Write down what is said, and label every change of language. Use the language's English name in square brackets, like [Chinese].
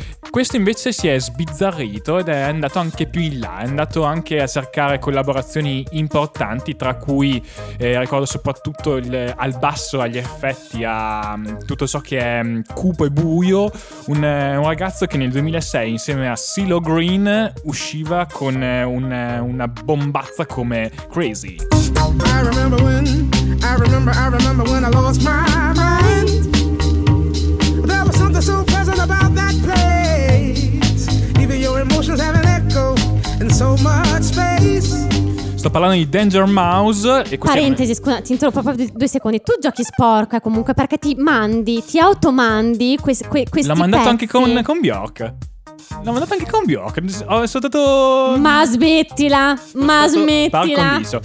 [Italian] Questo invece si è sbizzarrito ed è andato anche più in là, è andato anche a cercare collaborazioni importanti, tra cui ricordo soprattutto al basso, agli effetti, a tutto ciò che è cupo e buio, un ragazzo che nel 2006 insieme a CeeLo Green usciva con una bombazza come Crazy. [English] I remember when I lost my mind. There was something so pleasant about that place. Even your emotions have an echo in so much space. [Italian] Sto parlando di Danger Mouse e parentesi, scusa, ti interrompo proprio due secondi. Tu giochi sporca comunque, perché ti automandi questi l'ho mandato pezzi. Anche con Bjork. L'ho mandato anche con Bjork. Sono stato... Ma smettila. Ma smettila.